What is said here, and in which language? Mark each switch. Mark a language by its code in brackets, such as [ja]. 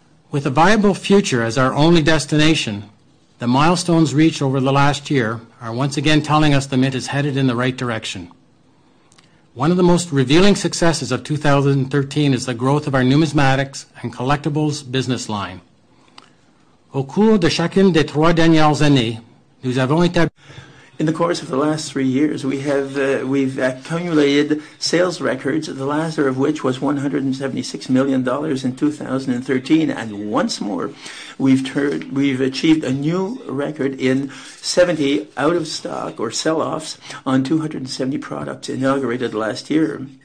[en] With a viable future as our only destination, the milestones reached over the last year are once again telling us the Mint is headed in the right direction. One of the most revealing successes of 2013 is the growth of our numismatics and collectibles business line. [fr] Au cours de chacune des trois dernières années, nous avons établi. [en] In the course of the last 3 years, we've accumulated sales records, the last of which was $176 million in 2013. And once more, we've achieved a new record in 70 out-of-stock or sell-offs on 270 products inaugurated last year.